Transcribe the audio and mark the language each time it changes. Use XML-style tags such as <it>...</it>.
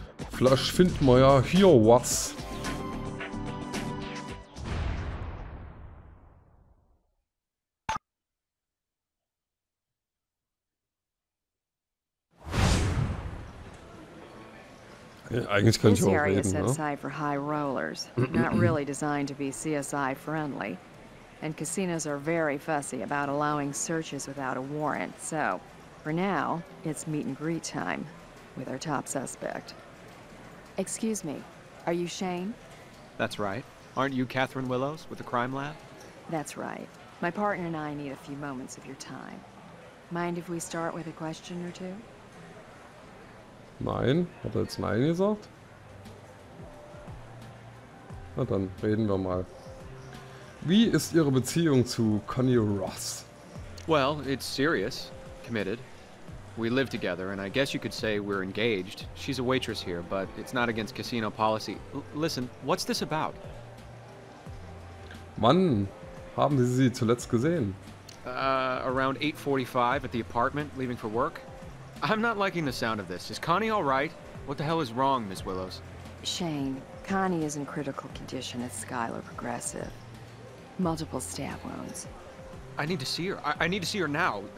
<de>Flash finden wir ja hier was. Eigentlich kann ich auch reden, ne?</de> <en>This area is set aside for high rollers, not really designed to be CSI friendly. And casinos are very fussy about allowing searches without a warrant. So, for now, it's meet and greet time with our top suspect. Excuse me, are you Shane? That's right. Aren't you Catherine Willows with the crime lab? That's right. My partner and I need a few moments of your time. Mind if we start with a question or two?</en> <de>Nein? Hat er jetzt Nein gesagt? Na dann, reden wir mal. Wie ist Ihre Beziehung zu Connie Ross?</de> <en>Well, it's serious. Committed. We live together, and I guess you could say we're engaged. She's a waitress here, but it's not against casino policy. Listen, what's this about?</en> <de>Wann haben Sie sie zuletzt gesehen?</de> <en>Around 8:45 at the apartment, leaving for work. I'm not liking the sound of this. Is Connie all right? What the hell is wrong, Miss Willows? Shane, Connie is in critical condition at Skylar Progressive. Multiple stab wounds. I need to see her. I need to see her now.</en>